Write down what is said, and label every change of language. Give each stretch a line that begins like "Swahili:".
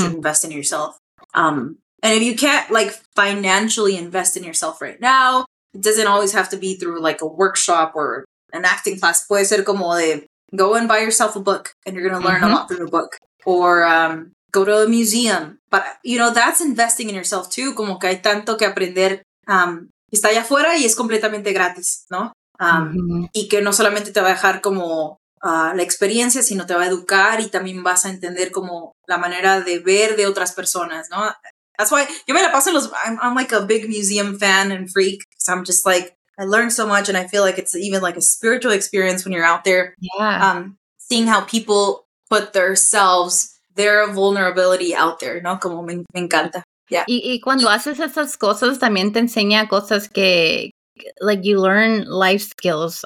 English: should invest in yourself. And if you can't like financially invest in yourself right now, it doesn't always have to be through like a workshop or an acting class.
Spanish: Puede ser como de
English: go and buy yourself a book and you're going to learn mm-hmm. a lot through the book. Or go to a museum. But, you know, that's investing in yourself too.
Spanish: Como que hay tanto que aprender. Está allá afuera y es completamente gratis, ¿no? Mm-hmm. Y que no solamente te va a dejar como la experiencia, sino te va a educar y también vas a entender como la manera de ver de otras personas, ¿no?
English: That's why
Spanish: yo me la paso en los...
English: I'm like a big museum fan and freak. So I'm just like... I learned so much, and I feel like it's even like a spiritual experience when you're out there. Yeah. Seeing how people put themselves, their vulnerability out there, ¿no?
Spanish: Como me encanta. Yeah. Y cuando haces esas cosas, también te enseña cosas que, like,
English: you learn life skills.